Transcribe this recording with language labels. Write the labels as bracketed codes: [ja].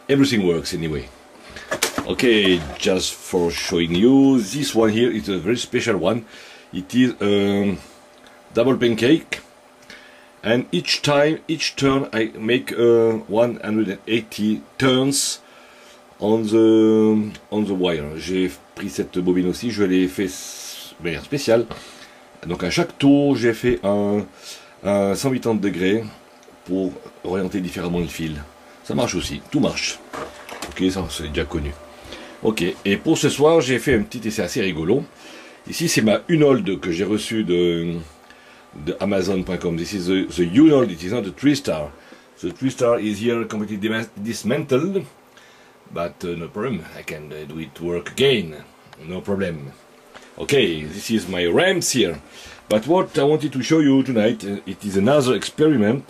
[en] Everything works anyway. Ok, just for showing you, this one here is a very special one. It is a double pancake. And each time, each turn, I make 180 turns on the wire. [fr] J'ai pris cette bobine aussi, je l'ai fait de manière spéciale. Donc à chaque tour, j'ai fait un 180 degrés pour orienter différemment le fil. Ça marche aussi, tout marche. Ok, ça c'est déjà connu. Ok, et pour ce soir, j'ai fait un petit essai assez rigolo. Ici, c'est ma Unhold que j'ai reçue de Amazon.com. [en] This is the Unhold, it is not a Tristar. The Tristar is here completely dismantled. But no problem, I can do it work again. No problem. Okay, this is my ramps here. But what I wanted to show you tonight, it is another experiment.